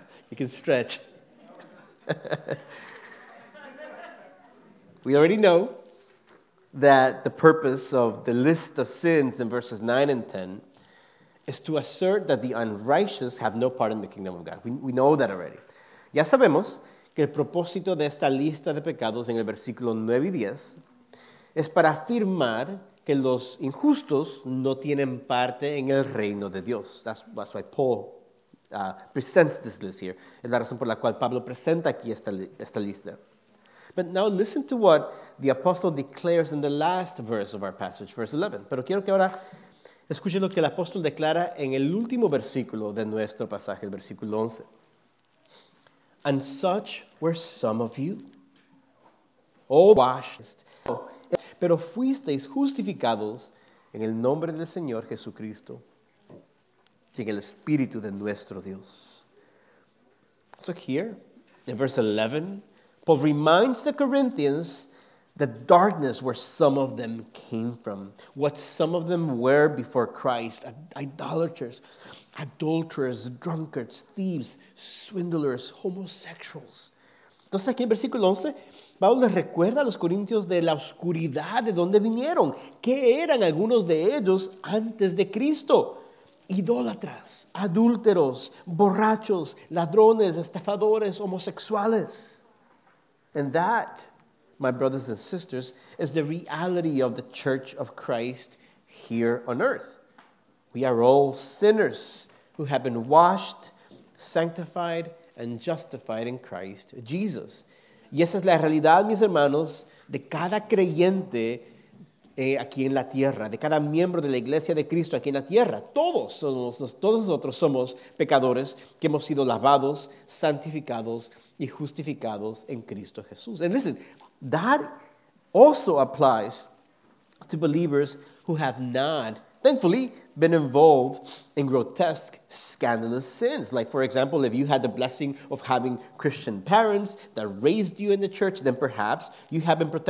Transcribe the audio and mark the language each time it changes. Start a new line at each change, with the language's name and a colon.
English: You can stretch. We already know that the purpose of the list of sins in verses 9 and 10 is to assert that the unrighteous have no part in the kingdom of God. We know that already.
Spanish: Ya sabemos que el propósito de esta lista de pecados en el versículo 9 y 10 es para afirmar que los injustos no tienen parte en el reino de Dios.
English: That's why Paul presents this list here.
Spanish: Es la razón por la cual Pablo presenta aquí esta lista.
English: But now listen to what the apostle declares in the last verse of our passage, verse 11.
Spanish: Pero quiero que ahora escuchen lo que el apóstol declara en el último versículo de nuestro pasaje, el versículo 11.
English: And such were some of you. All washed.
Spanish: Pero fuisteis justificados en el nombre del Señor Jesucristo y en el Espíritu de nuestro Dios.
English: So here, in verse 11, Paul reminds the Corinthians the darkness where some of them came from, what some of them were before Christ, idolaters, adulterers, drunkards, thieves, swindlers, homosexuals.
Spanish: Entonces aquí en versículo 11, Pablo les recuerda a los corintios de la oscuridad de donde vinieron, que eran algunos de ellos antes de Cristo. Idólatras, adúlteros, borrachos, ladrones, estafadores, homosexuales.
English: And that, my brothers and sisters, is the reality of the Church of Christ here on earth. We are all sinners who have been washed, sanctified, and justified in Christ Jesus.
Spanish: Y esa es la realidad, mis hermanos, de cada creyente aquí en la tierra, de cada miembro de la iglesia de Cristo aquí en la tierra. Todos nosotros somos pecadores que hemos sido lavados, santificados y justificados en Cristo Jesús.
English: And listen, that also applies to believers who have not, thankfully, been involved in grotesque, scandalous sins. Like, for example, if you had the blessing of having Christian parents that raised you in the church, then perhaps you have been protected.